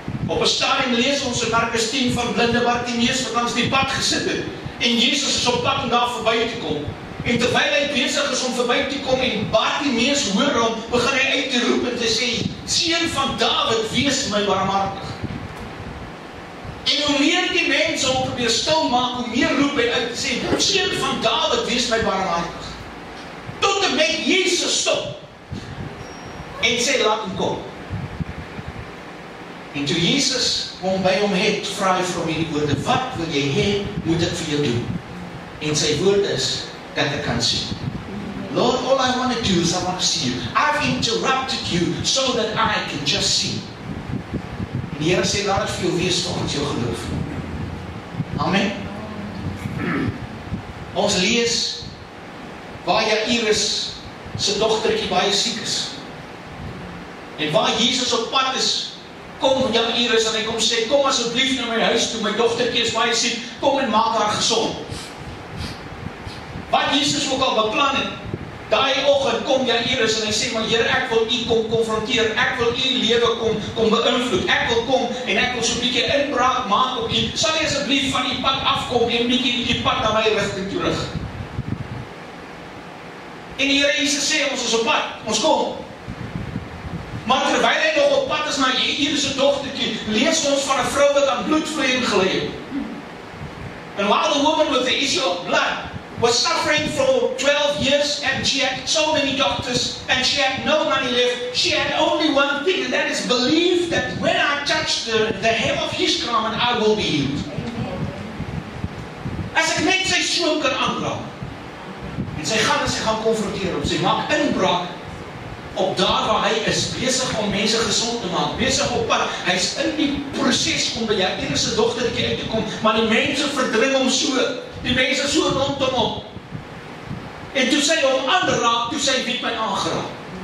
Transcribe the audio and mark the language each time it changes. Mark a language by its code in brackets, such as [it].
[af] Op een stadium lees ons in Markus 10 van blinde Bartimeus wat langs die pad gesit het, en Jesus is op pad om daar voorbij te kom, en terwijl hy bezig is om voorbij te kom en Bartimeus hoor om, begin hy uit te roep en te sê, Seun van David, wees my barmhartig. En hoe meer die mense om probeer stil maak, hoe meer roep hy uit te sê, Seun van David, wees my barmhartig. Tot en met Jesus stop en sê, laat hom kom. En toe Jesus kom by hom het, vraag hy vir hom hierdie woorde, wat wil jy hê, moet ek vir jou doen? En sy woord is, dat ek kan sien. [en] Lord, all I want to do is I want to see you. I've interrupted you, so that I can just see. [af] En die Heere sê, laat het vir jou wees, volgens jou geloof. Amen. Ons lees, waar Jairus, sy dochterkie baie siek is. En waar Jesus op pad is, kom Jairus en hy kom sê, kom asjeblief na my huis toe, my dochterkie is baie siek, kom en maak haar gesond. Wat Jesus ook al beplan het, Daai oggend kom Jairus en hy sê, maar Here, ek wil U kom konfronteer, ek wil U lewe kom beïnvloed, ek wil kom en ek wil so 'n bietjie inbraak maak op U. Sal U asseblief van U pad afkom en 'n bietjie die pad na my rigting terug? En die Here Jesus sê, ons is op pad, ons kom. Maar terwyl hy nog op pad is na Jairus se dogtertjie, lees ons van 'n vrou wat aan bloedvloeiing gelê het. [en] And while the woman with the issue of blood was suffering for 12 years and she had so many doctors and she had no money left, she had only one thing, and that is belief that when I touch the hem of his garment, I will be healed. [af] As ek net sy skoon kan aanraak. En sy gaan en sy gaan konfronteer hom, sy maak inbraak op daar waar hy is, besig om mense gezond te maak, besig op pad, hy is in die proces om by jou eerste dogtertjie uit te kom, maar die mense verdring hom so, die mense so rondom hom, en toe sy hom aanraak, toe sy weet my aangeraak.